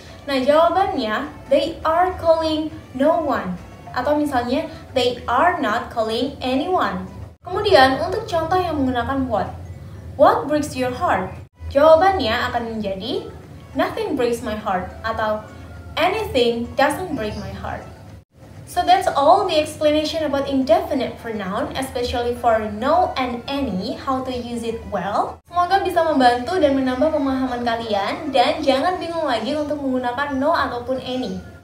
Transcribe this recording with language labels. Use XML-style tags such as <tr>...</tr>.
<id>Nah, jawabannya,</id> <en>they are calling no one.</en> <id>Atau misalnya,</id> <en>they are not calling anyone.</en> <id>Kemudian, untuk contoh yang menggunakan what.</id> <en>What breaks your heart?</en> <id>Jawabannya akan menjadi,</id> <en>nothing breaks my heart. Atau, anything doesn't break my heart. So that's all the explanation about indefinite pronoun, especially for no and any, how to use it well.</en> <id>Semoga bisa membantu dan menambah pemahaman kalian, dan jangan bingung lagi untuk menggunakan no ataupun any.</id>